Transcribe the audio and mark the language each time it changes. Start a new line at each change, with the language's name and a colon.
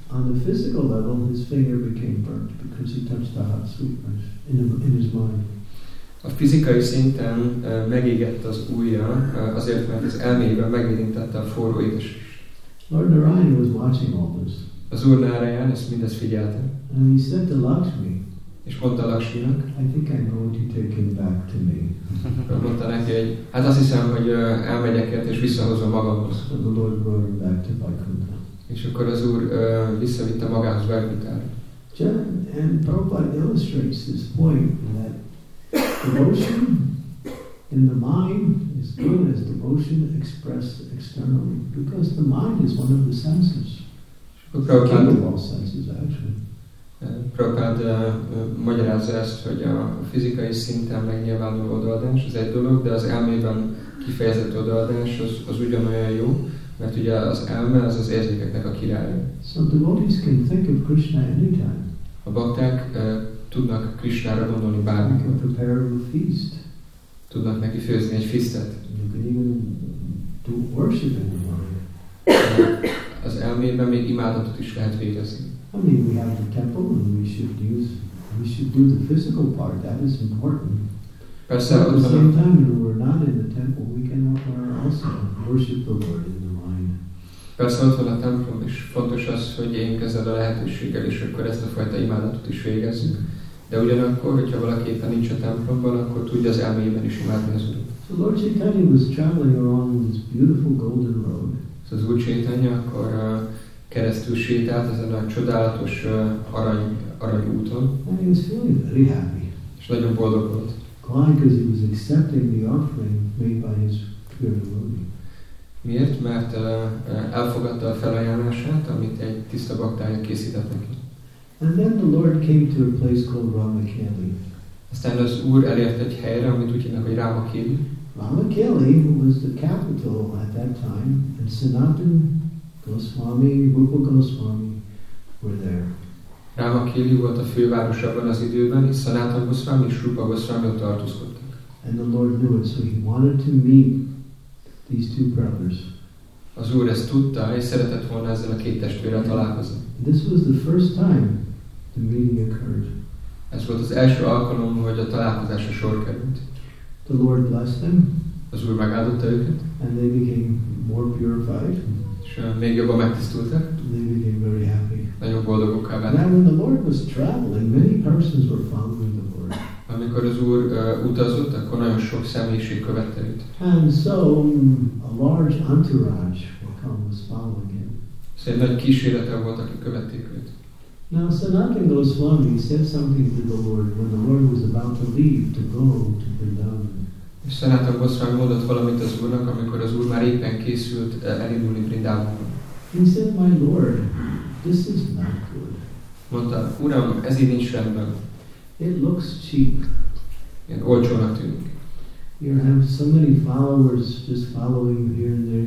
English: On the physical level, his finger became burnt, because he touched the hot sweet rice in his mind.
Hungarian: A fizikai szinten megégette az ujja, azért, mert az elméjében megérintette a forró édes is.
English: Lord Narayana was watching all this.
Hungarian: Az Úr Narayana ezt mindezt figyelte.
English: And he said to Lakshmi,
Hungarian: és mondta Lakshminak,
English: I think I'm going to take him back to me.
Hungarian: Mondta neki, hogy hát azt hiszem, hogy elmegyek el, és visszahozom magamhoz.
English: So the Lord brought him back to Vaikuntha.
Hungarian: És akkor az Úr visszavitte magához Vaikunthára.
English: And Prabhupada illustrates this point that devotion in the mind is good as devotion expressed externally, because the mind is one of the senses.
Hungarian: Prabhupada
English: of all senses, actually.
Hungarian: Prabhupada magyarázza ezt, hogy a fizikai szinten megnyilvánuló odaadás az egy dolog, de az elmében kifejezett odaadás az ugyanolyan jó, mert ugye az elme az az érzékeknek a királya.
English: So devotees can think of Krishna anytime.
Hungarian: A bakták tudnak Krishnára gondolni bármikor.
English: Prepare a feast.
Hungarian: Tudnak neki főzni egy fisztet.
English: You can even do worship in the mind.
Hungarian: Az elmében még imádatot is lehet végezni.
English: I mean, we have the temple, and we should do the physical part. That is important.
Hungarian: Persze,
English: at the same time, when we're not in the temple, we can offer also worship the Lord in the mind.
Hungarian: Persze, ott van a templom, és fontos az, hogy éljünk ezzel a lehetőséggel, és akkor ezt a fajta imádatot is végezzük. De ugyanakkor, hogyha valaki éppen nincs a templomban, akkor tudja az elmében is imádni az Urat.
English: So Lord Chaitanya was traveling along this beautiful golden road. So
Hungarian: az Úr Chaitanya akkor keresztül sétált ezen a csodálatos arany úton.
English: And he was feeling very happy.
Hungarian: És nagyon boldog volt.
English: Why? Because he was accepting the offering made by his pure devotee.
Hungarian: Miért? Mert elfogadta a felajánlását, amit egy tiszta baktája készített neki.
English: And then the Lord came to a place called Ramakeli.
Hungarian: Aztán az Úr elért egy helyre, amit úgy hívnak, hogy Ramakeli.
English: Ramakeli, who was the capital at that time, and Sanatan Goswami, Rupa Goswami were there.
Hungarian: Ramakeli volt a főváros abban az időben, és Sanatan Goswami és Rupa Goswami ott tartózkodtak.
English: And the Lord knew it, so he wanted to meet these two brothers.
Hungarian: Az Úr ezt tudta, és szeretett volna ezzel a két testvérrel találkozni.
English: This was the first time the meeting occurred.
Hungarian: Ez volt az első alkalom, hogy a találkozásra sor került.
English: The Lord blessed them.
Hungarian: Az Úr megáldotta őket.
English: And they became more purified.
Hungarian: És még jobban megtisztultak.
English: They became very happy.
Hungarian: Nagyon boldogokká váltak.
English: Now when the Lord was traveling, many persons were following the Lord.
Hungarian: Amikor az Úr utazott, akkor nagyon sok személyiség követte őt.
English: And so a large entourage will come was following him.
Hungarian: Szóval nagy kísérletek voltak, akik követték őt.
English: Now Sanatan Goswami said something to the Lord when the Lord was about to leave to go to Vrindavan.
Hungarian: És Sanatan Goswami mondott valamit az Úrnak, amikor az Úr már éppen készült elindulni Vrindavanba.
English: He said, my Lord, this is not good.
Hungarian: Mondta, Uram, ez így nincs rendben.
English: It looks cheap.
Hungarian: Ilyen olcsónak tűnik.
English: You have so many followers just following you here and there.